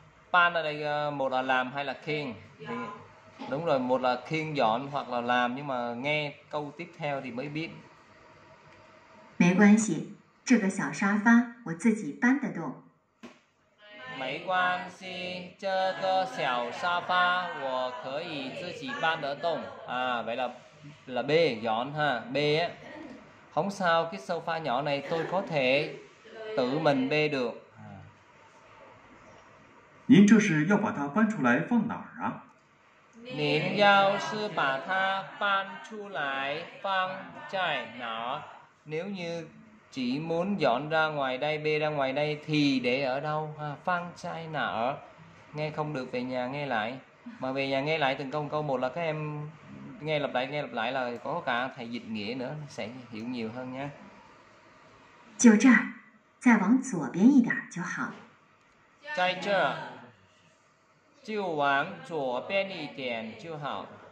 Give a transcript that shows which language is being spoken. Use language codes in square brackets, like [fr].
[vi] 搬 là một là làm hay là khiêng. Đúng rồi, một là khiêng dọn hoặc là làm, nhưng mà nghe câu tiếp theo thì mới biết. [zh] 没关系，这个小沙发我自己搬得动。没关系，这个小沙发我可以自己搬得动。 [vi] 啊， vậy là B, dọn ha, B. Không sao, cái sofa nhỏ này tôi có thể tự mình bê được. [zh] 您这是要把它搬出来放哪儿啊？您要是把它搬出来放在哪儿？ [vi] Nếu như chỉ muốn dọn ra ngoài đây, bê ra ngoài đây thì để ở đâu? Phang chai nà ở. Nghe không được, về nhà nghe lại. Mà về nhà nghe lại từng câu câu một là các em nghe lặp lại là có cả thầy dịch nghĩa nữa sẽ hiểu nhiều hơn nha. [zh] 就这儿，再往左边一点就好。在这儿，就往左边一点就好。